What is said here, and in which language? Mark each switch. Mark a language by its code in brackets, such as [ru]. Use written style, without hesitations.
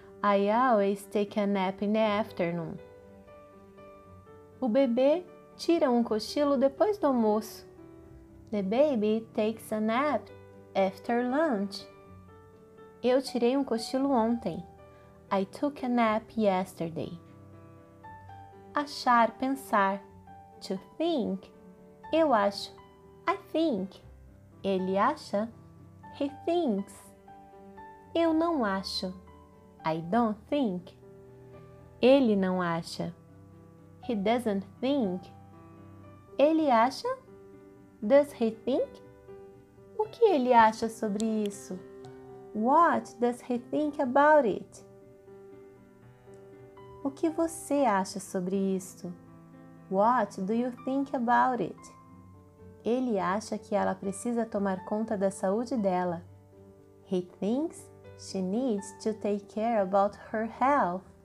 [en] I always take a nap in the afternoon. [pt] O bebê tira um cochilo depois do almoço. [en] The baby takes a nap after lunch. [pt] Eu tirei um cochilo ontem. [en] I took a nap yesterday. [pt] Achar, pensar. [en] To think. [pt] Eu acho. [en] I think. [pt] Ele acha. [en] He thinks. [pt] Eu não acho. [en] I don't think. [pt] Ele não acha. [en] He doesn't think. [pt] Ele acha? [en] Does he think? [pt] O que ele acha sobre isso? [en] What does he think about it? [pt] O que você acha sobre isto? [en] What do you think about it? [pt] Ele acha que ela precisa tomar conta da saúde dela. [en] He thinks she needs to take care about her health.